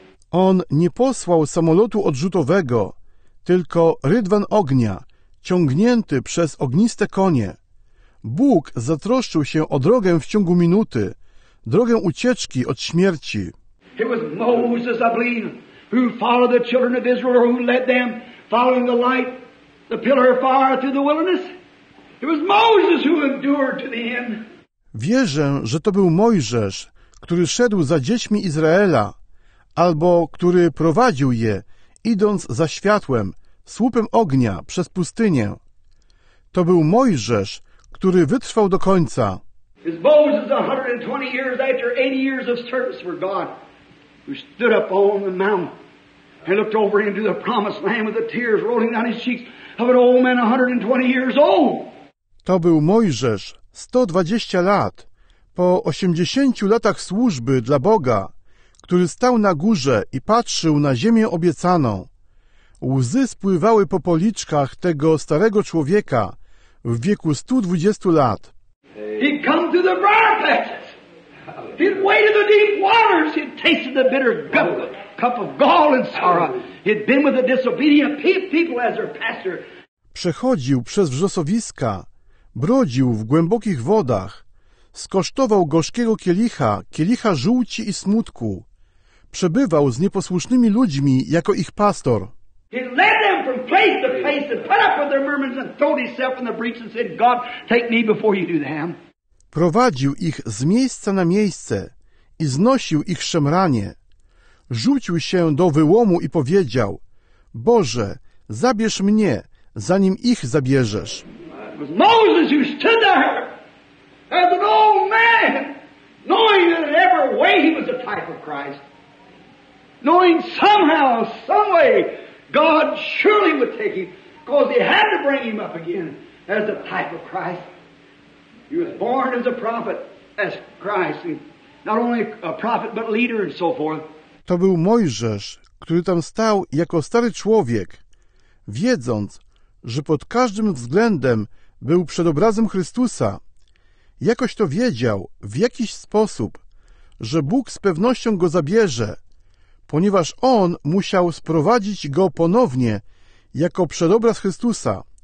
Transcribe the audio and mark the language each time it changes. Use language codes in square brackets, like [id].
[pl] On nie posłał samolotu odrzutowego, tylko rydwan ognia, ciągnięty przez ogniste konie. Bóg zatroszczył się o drogę w ciągu minuty, drogę ucieczki od śmierci. [en] It was Moses, I believe, who followed the children of Israel, who led them, following the light, the pillar of fire through the wilderness. It was Moses who endured to the end. [pl] Wierzę, że to był Mojżesz, który szedł za dziećmi Izraela, albo który prowadził je, idąc za światłem, słupem ognia przez pustynię. To był Mojżesz, który wytrwał do końca. [en] It's Moses 120 years after 80 years of service for God, who stood up on the mountain and looked over into the promised land with the tears rolling down his cheeks of an old man 120 years old. [pl] To był Mojżesz, 120 lat, po 80 latach służby dla Boga, który stał na górze i patrzył na ziemię obiecaną. Łzy spływały po policzkach tego starego człowieka w wieku 120 lat. [en] He'd come through the briar patches. He'd waded the deep waters. He'd tasted the bitter cup of gall and sorrow. He'd been with the disobedient people as their pastor. [pl] Przechodził przez wrzosowiska, brodził w głębokich wodach, skosztował gorzkiego kielicha, kielicha żółci i smutku. Przebywał z nieposłusznymi ludźmi jako ich pastor. [en] He led them from place to place and put up with their murmurs and throwed himself in the breach and said, God, take me before you do them. [pl] Prowadził ich z miejsca na miejsce i znosił ich szemranie. Rzucił się do wyłomu i powiedział, Boże, zabierz mnie, zanim ich zabierzesz. [en] It was Moses who stood there as an old man, knowing that in every way he was a type of Christ, knowing somehow, some way, God surely would take him, because he had to bring him up again as a type of Christ. He was born as a prophet, as Christ, not only a prophet, but leader and so forth. [pl] To był Mojżesz, który tam stał jako stary człowiek, wiedząc, że pod każdym względem był przedobrazem Chrystusa. Jakoś to wiedział, w jakiś sposób, że Bóg z pewnością go zabierze, ponieważ on musiał sprowadzić go ponownie jako przedobraz Chrystusa.